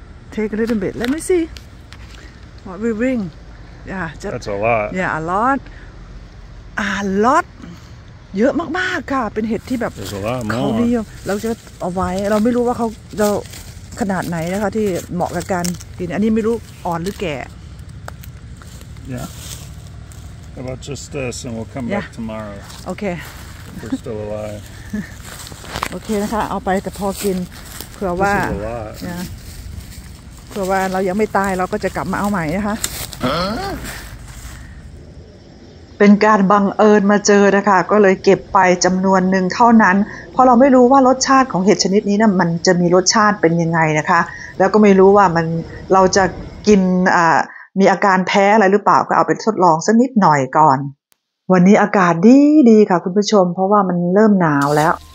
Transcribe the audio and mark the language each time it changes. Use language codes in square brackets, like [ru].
[en] Take a little bit Let me see What we bring Yeah That's a lot Yeah a lot A lot [th] เยอะมากๆค่ะเป็นเห็ดที่แบบเขานิยมเราจะเอาไว้เราไม่รู้ว่าเราขนาดไหนนะคะที่เหมาะกับการกินอันนี้ไม่รู้อ่อนหรือแก่ [en] Yeah about just this and we'll come back tomorrow Okay We're still alive [th] Okay นะคะเอาไปแต่พอกินเผื่อว่า [en] This is a lot Yeah [th] อว่าเรายังไม่ตายเราก็จะกลับมาเอาใหม่นะคะ เป็นการบังเอิญมาเจอนะคะก็เลยเก็บไปจำนวนหนึ่งเท่านั้นเพราะเราไม่รู้ว่ารสชาติของเห็ดชนิดนี้นะมันจะมีรสชาติเป็นยังไงนะคะแล้วก็ไม่รู้ว่ามันเราจะกินมีอาการแพ้อะไรหรือเปล่าก็เอาไปทดลองสักนิดหน่อยก่อนวันนี้อากาศดีๆค่ะคุณผู้ชมเพราะว่ามันเริ่มหนาวแล้ว